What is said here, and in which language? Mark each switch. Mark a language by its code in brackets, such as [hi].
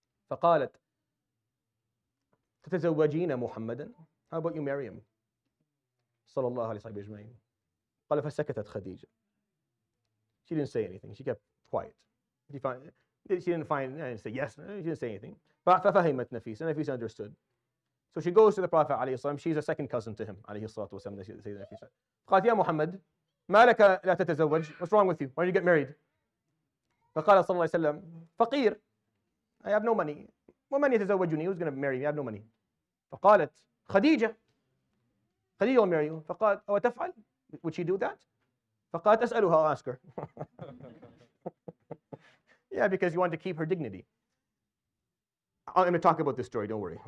[ar] فَقَالَتْ تَتَزَوَّجِينَ مُحَمَّدًا. [en] How about you marry him? صلى الله عليه وسلم. [ar] قَالَ فَسَكَتَتْ خَدِيجَ. [en] She didn't say anything. She kept quiet. She didn't say yes. She didn't say anything. [ar] فَفَهِمَتْ نَفِيسَ. [en] Nafisa understood. So she goes to the Prophet عليه الصلاة. She's a second cousin to him عليه الصلاة والسلام. [ar] سيدنا نفيسة. قالت يا محمد ما لك لا تتزوج. [en] What's wrong with you? Why don't you get married? [ar] فقال صلى الله عليه وسلم فقير. [en] I have no money. [ar] ومن يتزوجني؟ [en] Who's going to marry me? I have no money. [ar] فقالت خديجة. [en] خديجة will marry you. [ar] فقالت أو تفعل؟ [en] Would she do that? [ar] فقالت أسألها. [en] I'll ask her. Yeah, because you want to keep her dignity. I'm going to talk about this story, don't worry.